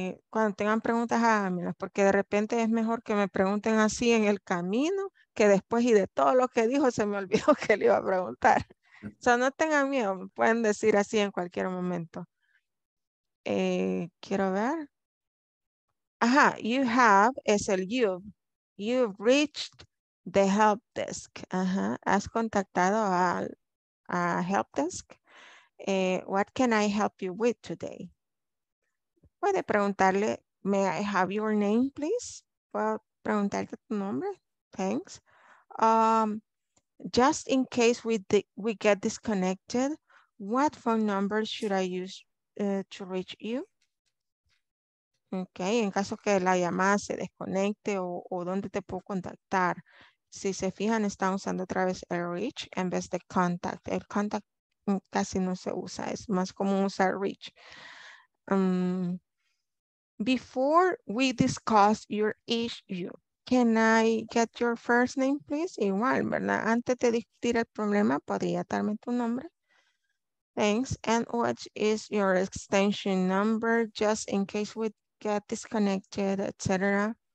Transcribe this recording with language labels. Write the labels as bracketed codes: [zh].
[es] Cuando tengan preguntas, háganmelas, porque de repente es mejor que me pregunten así en el camino que después, y de todo lo que dijo se me olvidó que le iba a preguntar. O sea, no tengan miedo, me pueden decir así en cualquier momento. Quiero ver. Ajá, [en] you have es el you've reached the help desk. [es] Ajá, has contactado a help desk. [en] What can I help you with today? [es] Puede preguntarle, [en] may I have your name, please? [es] Puedo preguntarte tu nombre. [en] Thanks. Just in case we get disconnected, what phone number should I use to reach you? [es] Okay, en caso que la llamada se desconecte, o dónde te puedo contactar. Si se fijan, está usando otra vez el reach en vez de contact. El contact casi no se usa, es más común usar reach. [en] Before we discuss your issue, can I get your first name, please? [es] Igual, ¿verdad? Antes de discutir el problema, ¿podría darme tu nombre? [en] Thanks. And what is your extension number, just in case we get disconnected, etc.